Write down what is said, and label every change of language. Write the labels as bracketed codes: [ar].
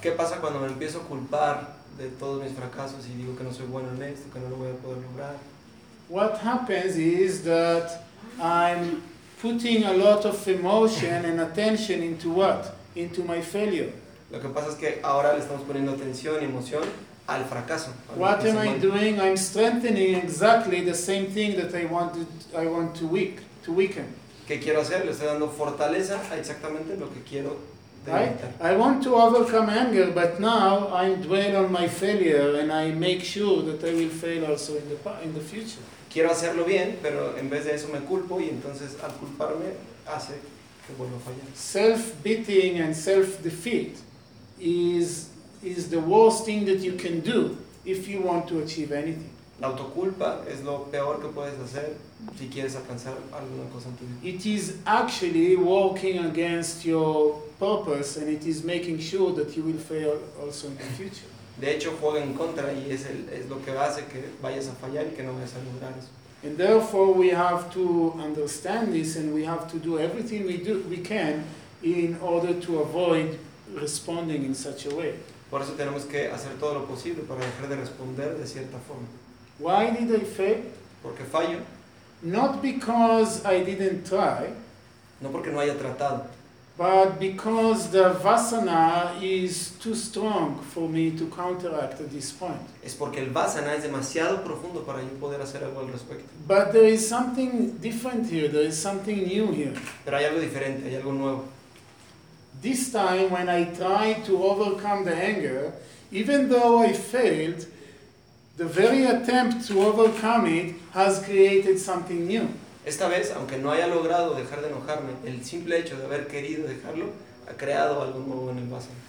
[es] ¿Qué pasa cuando me empiezo a culpar de todos mis fracasos y digo que no soy bueno en esto, que no lo voy a poder lograr? [en] What happens is that I'm putting a lot of emotion and attention into what? Into my failure. [es] Lo que pasa es que ahora le estamos poniendo atención y emoción al fracaso. [en] What am I doing? I'm strengthening exactly the same thing that I want to weaken. [es] ¿Qué quiero hacer? Le estoy dando fortaleza a exactamente lo que quiero debilitar. [en] I want to overcome anger, but now I dwell on my failure and I make sure that I will fail also in the future. [es] Quiero hacerlo bien, pero en vez de eso me culpo y entonces al culparme hace que vuelva a fallar. [en] Self-beating and self-defeat is the worst thing that you can do if you want to achieve anything. [es] La autoculpa es lo peor que puedes hacer si quieres alcanzar alguna cosa en tu vida. [en] It is actually working against your purpose and it is making sure that you will fail also in the future. [es] De hecho juega en contra y es el es lo que hace que vayas a fallar y que no vayas a lograr eso. [en] And therefore we have to understand this and we have to do everything we can in order to avoid responding in such a way. [es] Por eso tenemos que hacer todo lo posible para dejar de responder de cierta forma. [en] Why did I fail? [es] Porque fallo. [en] Not because I didn't try. [es] No porque no haya tratado. [en] But because the vasana is too strong for me to counteract at this point. [es] Es porque el vasana es demasiado profundo para yo poder hacer algo al respecto. [en] But there is something different here. There is something new here. [es] Pero hay algo diferente. Hay algo nuevo. [en] This time, when I tried to overcome the anger, even though I failed, the very attempt to overcome it has created something new. [es] Esta vez, aunque no haya logrado dejar de enojarme, el simple hecho de haber querido dejarlo ha creado algo nuevo en el vaso.